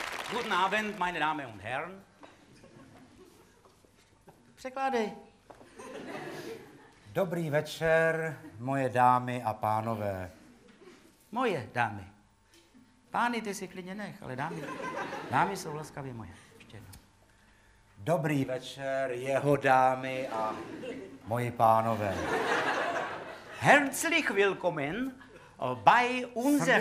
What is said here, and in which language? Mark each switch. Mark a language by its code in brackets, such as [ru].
[de] Guten Abend, meine Damen und Herren. [cs] Překládej. Dobrý večer, moje dámy a pánové. Moje dámy. Pány ty si klidně nech, ale dámy jsou laskavě moje. Ještě jednou. Dobrý večer, jeho dámy a moji pánové. [de] Herzlich willkommen bei unsere...